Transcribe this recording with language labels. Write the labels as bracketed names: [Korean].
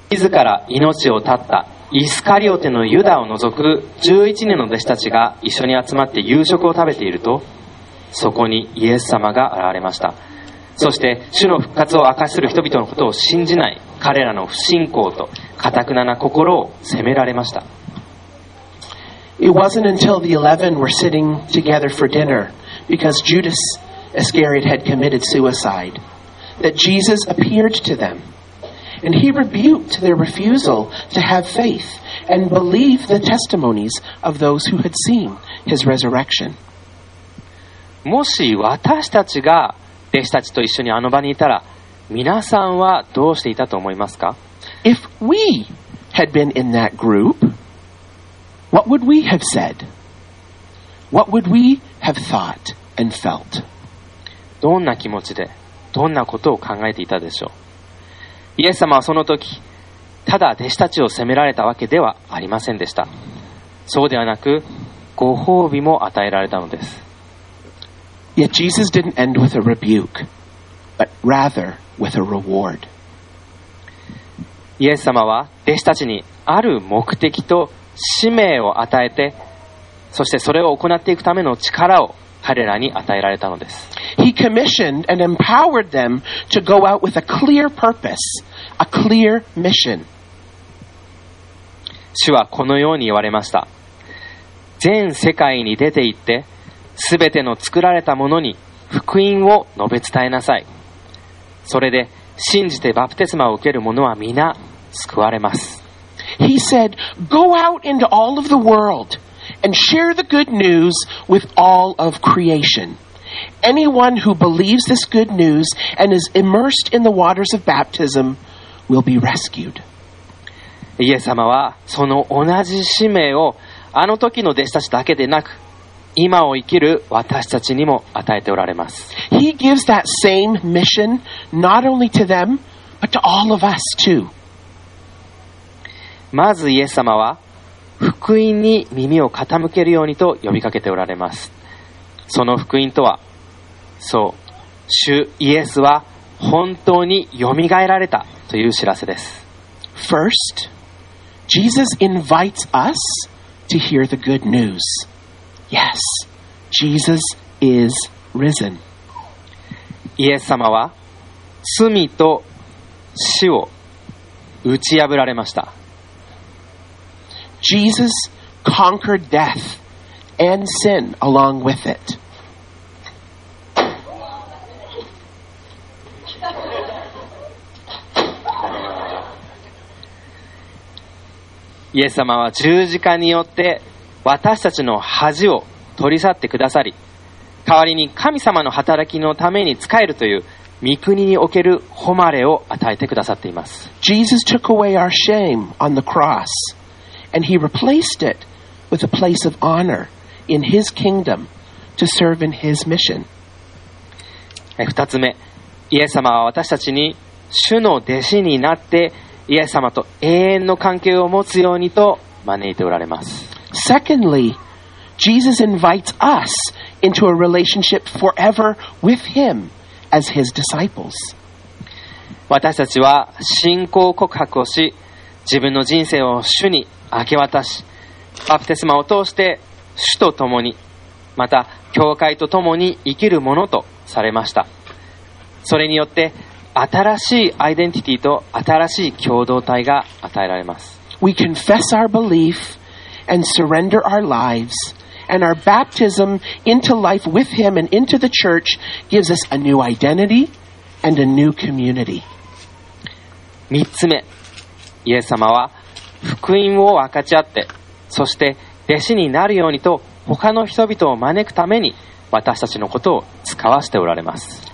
[Japanese] から命を絶ったイスカリオテのユダを除く11人の弟子たちが一緒に集まって夕食を食べていると、そこにイエス様が現れました。そして主の復活を明かしする人々のことを信じない彼らの不信仰と堅くなな心を責められました。 [English] It wasn't until the 11 were sitting together for dinner because Judas Iscariot had committed suicide that Jesus appeared to themAnd he rebuked their refusal to have faith and believe the testimonies of those who had seen his resurrection. [Japanese] もし私たちが弟子たちと一緒にあの場にいたら、皆さんはどうしていたと思いますか? [English] If we had been in that group, what would we have said? What would we have thought and felt? [Japanese] どんな気持ちで、どんなことを考えていたでしょう? イエス様はその時、ただ弟子たちを責められたわけではありませんでした。そうではなく、ご褒美も与えられたのです。 [English] Yet Jesus didn't end with a rebuke, but rather with a reward. [Japanese] イエス様は弟子たちにある目的と使命を与えて、そしてそれを行っていくための力を彼らに与えられたのです。 [English] He commissioned and empowered them to go out with a clear purpose, a clear mission. [Japanese] 主はこのように言われました。全世界に出て行って、すべての作られたものに福音を述べ伝えなさい。それで信じてバプテスマを受ける者は皆救われます。 [English] He said, "Go out into all of the world." And share the good news with all of creation. Anyone who believes this good news and is immersed in the waters of baptism will be rescued. [Japanese] イエス様はその同じ使命をあの時の弟子たちだけでなく、今を生きる私たちにも与えておられます。 [English] He gives that same mission not only to them, but to all of us too. [Japanese] まずイエス様は福音に耳を傾けるようにと呼びかけておられます。その福音とは、そう、主イエスは本当によみがえられたという知らせです。 [English] First, Jesus invites us to hear the good news. Yes, Jesus is risen. [Japanese] イエス様は罪と死を打ち破られました。 [English] Jesus conquered death and sin along with it. [Japanese] イエス様は十字架によって私たちの恥を取り去ってくださり、代わりに神様の働きのために仕えるという御国における誉れを与えてくださっています。 [English] Jesus took away our shame on the cross, and he replaced it with a place of honor in his kingdom to serve in his mission. [Japanese] 二つ目、イエス様は私たちに主の弟子になってイエス様と永遠の関係を持つようにと招いておられます。 [English] Secondly, Jesus invites us into a relationship forever with him. As his disciples. [Japanese] 私たちは信仰告白をし、自分の人生を主に明け渡し、バプテスマを通して主と共に、また教会と共に生きるものとされました。それによって新しいアイデンティティと新しい共同体が与えられます。 [English] We confess our belief and surrender our lives. And our baptism into life with him and into the church gives us a new identity and a new community. [Japanese] 三つ目、イエス様は福音を分かち合って、そして弟子になるようにと他の人々を招くために私たちのことを使わせておられます。